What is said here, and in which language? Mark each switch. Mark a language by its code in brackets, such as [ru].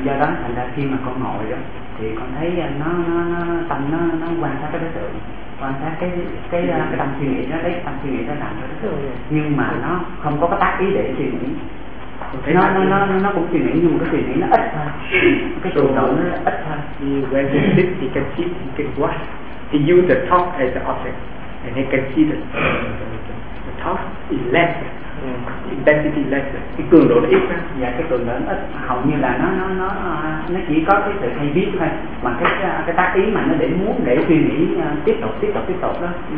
[vi] Do đó thành ra khi mà con ngồi đó thì con thấy nó tâm nó quan sát cái đối tượng, quan sát cái tâm suy nghĩ đó đấy, tâm suy nghĩ đó làm cho đối tượng nhưng mà nó không có cái tác ý để suy nghĩ. Nó cũng suy nghĩ nhưng mà cái suy nghĩ nó ít thôi, cái trường hợp nó ít thôi. [en] When he sits, he can sit, he can watch. He use the talk as the object, and he can see the talk is less, intensity less. [vi] Cái cường độ nó ít ha. Dạ, cái cường độ nó ít. Hầu như là nó chỉ có cái sự hay biết thôi. Mà cái tác ý mà nó để muốn để suy nghĩ tiếp tục đó.